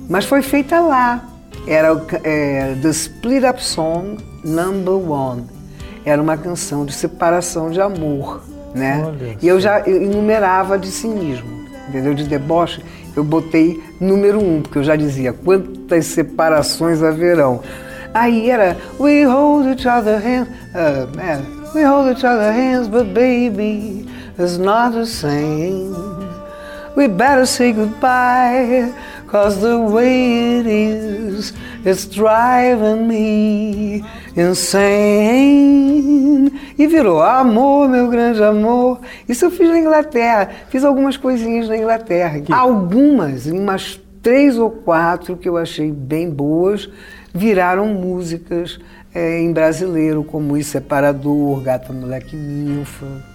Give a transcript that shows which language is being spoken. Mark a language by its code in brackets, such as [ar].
[pt] Mas foi feita lá. Era The Split Up Song Number One. Era uma canção de separação de amor. Né? E eu já enumerava de cinismo, entendeu? De deboche, eu botei número um, porque eu já dizia quantas separações haverão. Aí era, [en] we hold each other hands, we hold each other hands, but baby, it's not the same. We better say goodbye, cause the way it is, it's driving me insane. [pt] E virou Amor, Meu Grande Amor. Isso eu fiz na Inglaterra. Fiz algumas coisinhas na Inglaterra. Que... Algumas, umas três ou quatro que eu achei bem boas, viraram músicas em brasileiro, como Isso é Parador, Gata Moleque Ninfa.